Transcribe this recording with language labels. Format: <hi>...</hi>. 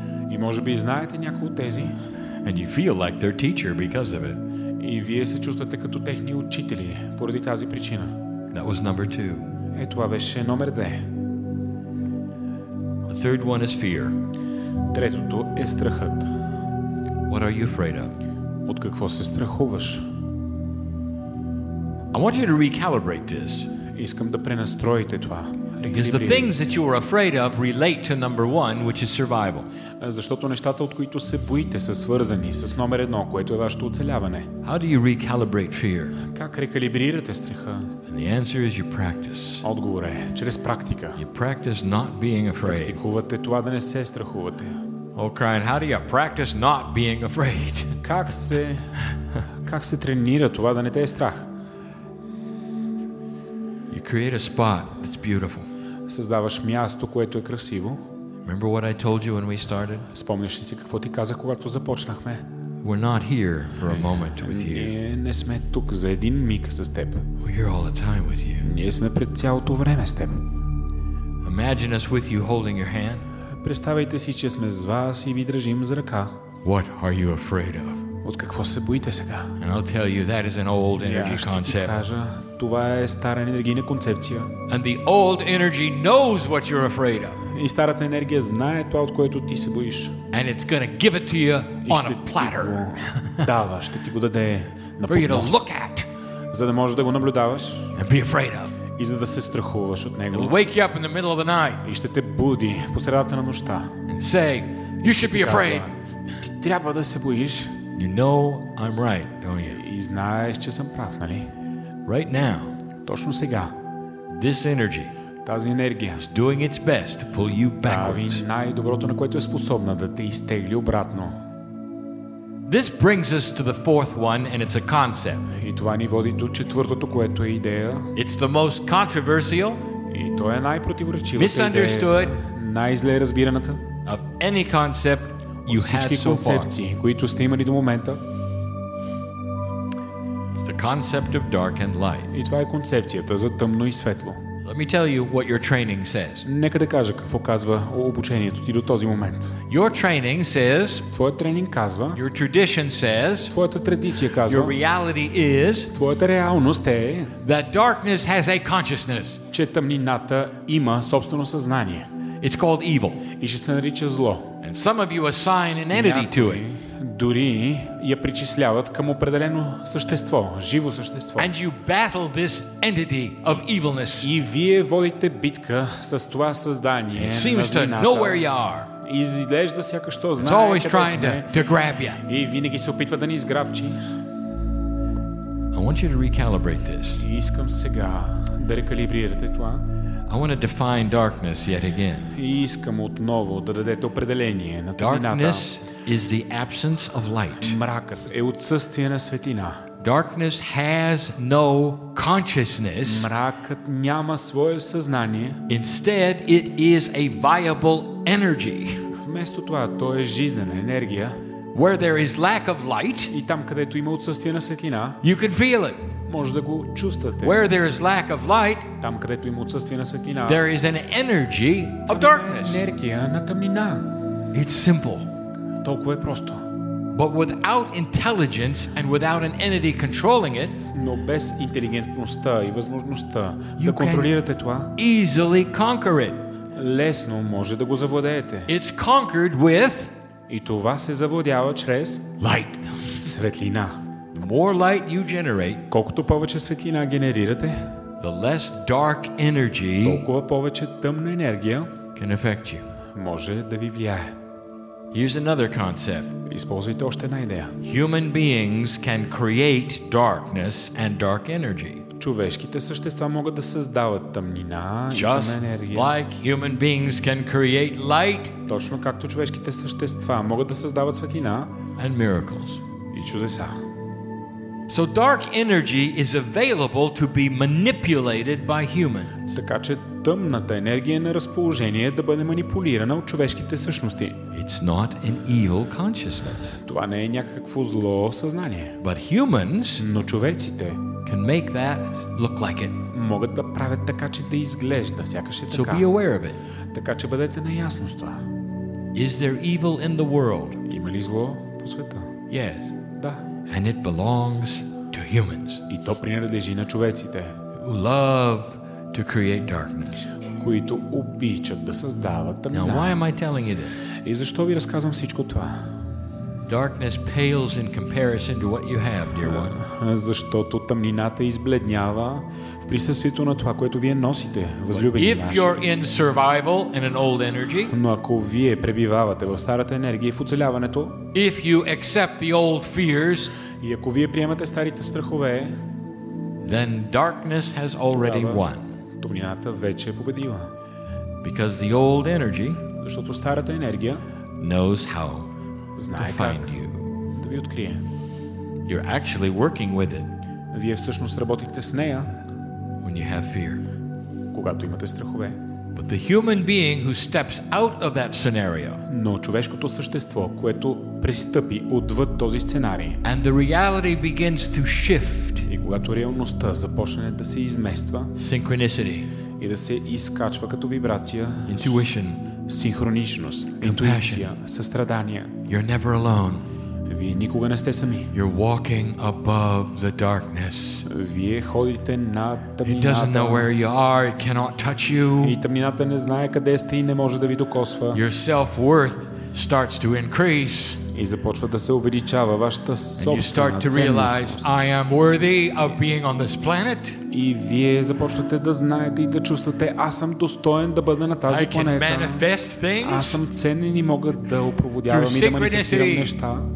<bg>И може би знаете някои от тези.</bg> <en>And you feel like their teacher because of it.</en> <bg>И вие се чувствате като техни учители поради тази причина.</bg> <en>That was number two.</en> <bg>Е, това беше номер две.</bg> <en>The third one is fear.</en> <bg>Третото е страхът.</bg> <en>What are you afraid of?</en> <bg>От какво се страхуваш?</bg> <en>I want you to recalibrate this.</en> <bg>Искам да пренастроите това.</bg> <en>Because the things that you are afraid of relate to number one, which is survival.</en> <bg>Защото нещата, от които се боите, са свързани с номер едно, което е вашето оцеляване.</bg> <en>How do you recalibrate fear?</en> <bg>Как рекалибрирате страха?</bg> <en>And the answer is you practice.</en> <bg>Отговор е чрез практика.</bg> <en>You practice not being afraid.</en> <bg>Практикувате това да не се страхувате.</bg> <en>Oh, Crying, how do you practice not being afraid?</en> <bg>Как се тренира това да не те е страх?</bg> <en>You create a spot that's beautiful.</en> <bg>Създаваш място, което е красиво.</bg> <en>Remember what I told you when we started?</en> <bg>Спомниш ли си какво ти казах, когато започнахме?</bg> <en>We're not here for a moment with you.</en> <bg>Ние не сме тук за един миг с теб.</bg> <en>We're here all the time with you.</en> <bg>Ние сме пред цялото време с теб.</bg> <en>Imagine us with you holding your hand.</en> <bg>Представете си, че сме с вас и ви държим за ръка.</bg> <en>What are you afraid of?</en> <bg>От какво се боите сега?</bg> <en>And I'll tell you that is an old energy concept.</en> <bg>Това е стара енергийна концепция.</bg> <en>And the old energy knows what you're afraid of.</en> <bg>И старата енергия знае това, от което ти се боиш.</bg> <en>And it's gonna give it to you on a platter.</en> <bg>Дава, ще ти го даде на поднос.</bg> <en>For you to look at.</en> <bg>За да можеш да го наблюдаваш.</bg> <en>And be afraid of.</en> <bg>И за да се страхуваш от него.</bg> <en>It'll wake you up in the middle of the night.</en> <bg>И ще те буди посредата на нощта.</bg> <en>And say, you should be afraid.</en> <bg>Ти трябва да се боиш.</bg> <en>You know I'm right, don't you?</en> <bg>И знаеш, че съм прав, нали?</bg> <en>Right now,</en> <bg>точно сега,</bg> <en>this energy,</en> <bg>тази енергия,</bg> <en>is doing its best to pull you backwards.</en> <bg>Прави най-доброто, на което е способна да те изтегли обратно.</bg> <en>This brings us to the fourth one, and it's a concept.</en> <bg>И това ни води до четвъртото, което е идея.</bg> <en>It's the most controversial.</en> <bg>И то е най-противоречивата</bg> <en>идея. Misunderstood.</en> <bg>Най-зле разбираната.</bg> <en>Of any concept you had so far.</en> <bg>От всички концепции, които сте имали до момента.</bg> <en>It's the concept of dark and light.</en> <bg>И това е концепцията за тъмно и светло.</bg> <en>Let me tell you what your training says.</en> <bg>Нека да кажа какво казва обучението ти до този момент.</bg> <en>Your training says.</en> <bg>Твоят тренинг казва.</bg> <en>Your tradition says.</en> <bg>Твоята традиция казва.</bg> <en>Your reality is.</en> <bg>Твоята реалност е.</bg> <en>That darkness has a consciousness.</en> <bg>Че тъмнината има собствено съзнание.</bg> <en>It's called evil.</en> <bg>И ще се нарича зло.</bg> <en>And some of you assign an entity to it.</en> <bg>Дори я причисляват към определено същество, живо същество.</bg> <en>And you battle this entity of evilness.</en> <bg>И вие водите битка с това създание.</bg> <en>It seems to know where you are.</en> <bg>Изглежда сякаш то знае.</bg> <en>It's always trying to grab you.</en> <bg>И винаги се опитва да ни изграбчи.</bg> <en>I want you to recalibrate this.</en> <bg>Искам сега да рекалибрирате това.</bg> <en>I want to define darkness yet again.</en> <bg>Искам отново да дадете определение на</bg> <en>тъмнината. is the absence of light.</en> <bg>Мракът е отсъствие на светлина.</bg> <en>Darkness has no consciousness.</en> <bg>Мракът няма свое съзнание.</bg> <en>Instead, it is a viable energy.</en> <bg>Вместо това, то е жизнена енергия.</bg> <en>Where there is lack of light,</en> <bg>и там където има отсъствие на светлина,</bg> <en>you can feel it.</en> <bg>Може да го чувствате.</bg> <en>Where there is lack of light,</en> <bg>там където има отсъствие на светлина,</bg> <en>there is an energy of darkness.</en> <bg>Енергия на тъмнина.</bg> <en>It's simple.</en> <bg>Толкова е просто.</bg> <en>But without intelligence and without an entity controlling it,</en> <bg>но без интелигентността и възможността да контролирате това,</bg> <en>easily conquer it.</en> <bg>Лесно може да го завладеете.</bg> <en>It's conquered with,</en> <bg>и това се завладява чрез</bg> <en>light.</en> <bg>Светлина.</bg> <en>The more light you generate,</en> <bg>колкото повече светлина генерирате,</bg> <en>the less dark energy,</en> <bg>толкова повече тъмна енергия</bg> <en>can affect you.</en> <bg>Може да ви влияе.</bg> <en>Here's another concept.</en> <bg>Използвайте още една идея.</bg> <en>Human beings can create darkness and dark energy.</en> <bg>Човешките същества могат да създават тъмнина</bg> <en>just</en> <bg>и тъмна енергия.</bg> <en>Like human beings can create light.</en> <bg>Точно както човешките същества могат да създават светлина</bg> <en>and miracles.</en> <bg>И чудеса.</bg> <en>So dark energy is available to be manipulated by humans.</en> <bg>Така че тъмната енергия е на разположение да бъде манипулирана от човешките същности.</bg> <en>It's not an evil consciousness.</en> <bg>Това не е някакво зло съзнание.</bg> <en>But humans,</en> <bg>но човеците,</bg> <en>can make that look like it.</en> <bg>Могат да правят така, че да изглежда сякаш е така.</bg> <en>So be aware of it.</en> <bg>Така че бъдете наясно с това.</bg> <en>Is there evil in the world?</en> <bg>Има ли зло по света?</bg> <en>Yes.</en> <bg>Да.</bg> <en>And it belongs to humans.</en> <bg>И то принадлежи на човеците.</bg> <en>Who love to create darkness.</en> <bg>Които обичат да създават тъмнина.</bg> <en>Now why am I telling you this?</en> <bg>И защо ви разказвам всичко това?</bg> <en>Darkness pales in comparison to what you have, dear one.</en> <bg>Защото тъмнината избледнява в присъствието на това, което вие носите, възлюбени наши.</bg> <en>If you're in survival in an old energy,</en> <bg>но ако вие пребивавате в старата енергия и в оцеляването,</bg> <en>if you accept the old fears,</en> <bg>и ако вие приемате старите страхове,</bg> <en>then darkness has already won.</en> <bg>Тъмнината вече е победила.</bg> <en>Because the old energy,</en> <bg>защото старата енергия</bg> <en>knows how.</en> <bg>Знае</bg> <en>find</en> <bg>как</bg> <en>you.</en> <bg>Да ви открие.</bg> <en>You're actually working with it.</en> <bg>Вие всъщност работите с нея.</bg> <en>When you have fear.</en> <bg>Когато имате страхове.</bg> <en>But the human being who steps out of that scenario,</en> <bg>но човешкото същество, което пристъпи отвъд този сценарий,</bg> <en>and the reality begins to shift,</en> <bg>и когато реалността започне да се измества,</bg> <en>synchronicity,</en> <bg>и да се изкачва като вибрация,</bg> <en>intuition,</en> <bg>синхроничност, интуиция, състрадание.</bg> <en>You're never alone.</en> <bg>Вие никога не сте сами.</bg> <en>You're walking above the darkness.</en> <bg>Вие ходите над тъмнината.</bg> <en>It doesn't know where you are. It cannot touch you.</en> <bg>И тъмнината не знае къде сте и не може да ви докосва.</bg> <en>Your self-worth starts to increase.</en> <bg>И започва да се увеличава вашата собствена</bg> <en>ценност. You start to realize I am worthy of being on this planet.</en> <bg>И вие започвате да знаете и да чувствате, аз съм достоен да бъда на тази планета. Аз съм ценен и мога да опроводявам и да манифестирам неща.</bg>